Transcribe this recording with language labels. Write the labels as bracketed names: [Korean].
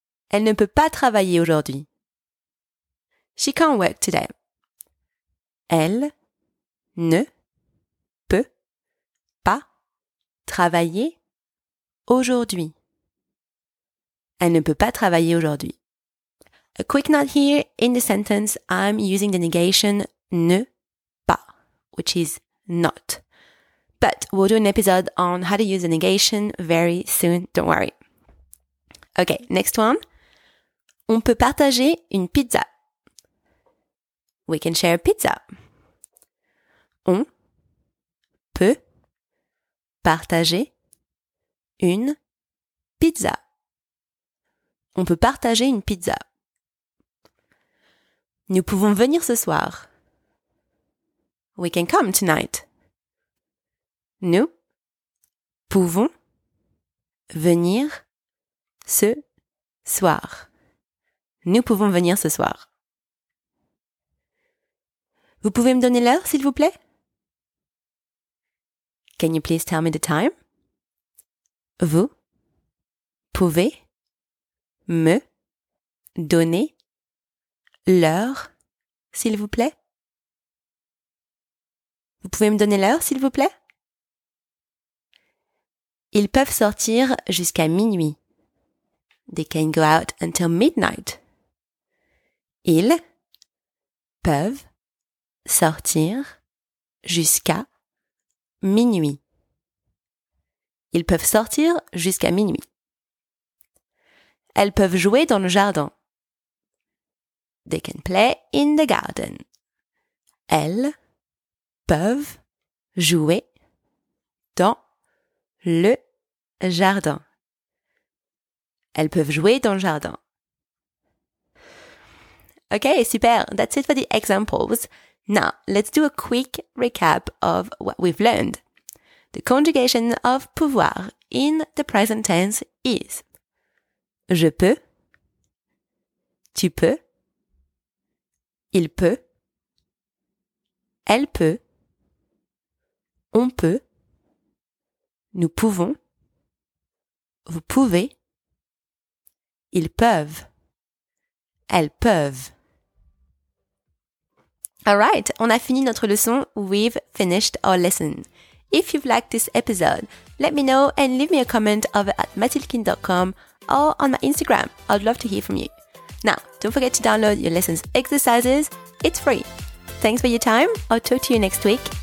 [French] Elle ne peut pas travailler aujourd'hui. [English] She can't work today. [French] Elle ne peut pas travailler aujourd'hui. Elle ne peut pas travailler aujourd'hui. [English] A quick note here in the sentence, I'm using the negation ne pas, which is not. But we'll do an episode on how to use the negation very soon, don't worry. Okay, next one. [French] On peut partager une pizza. [English] We can share a pizza. [French] On peut partager une pizza. On peut partager une pizza. Nous pouvons venir ce soir. [English] We can come tonight. [French] Nous pouvons venir ce soir. Nous pouvons venir ce soir. Vous pouvez me donner l'heure, s'il vous plaît? [English] Can you please tell me the time? [French] Vous pouvez me donner l'heure, s'il vous plaît? Vous pouvez me donner l'heure, s'il vous plaît? Ils peuvent sortir jusqu'à minuit. [English] They can go out until midnight. [French] Ils peuvent sortir jusqu'à minuit. Ils peuvent sortir jusqu'à minuit. Elles peuvent jouer dans le jardin. [English] They can play in the garden. [French] Elles peuvent jouer dans le jardin. Elles peuvent jouer dans le jardin. [English] Okay, super. That's it for the examples. Now, let's do a quick recap of what we've learned. The conjugation of pouvoir in the present tense is [French] je peux, tu peux, il peut, elle peut, on peut, nous pouvons, vous pouvez, ils peuvent, elles peuvent. Alright, on a fini notre leçon. [English] We've finished our lesson. If you've liked this episode, let me know and leave me a comment over at mathildekin.com or on my Instagram. I'd love to hear from you. Now, don't forget to download your lessons exercises. It's free. Thanks for your time. I'll talk to you next week.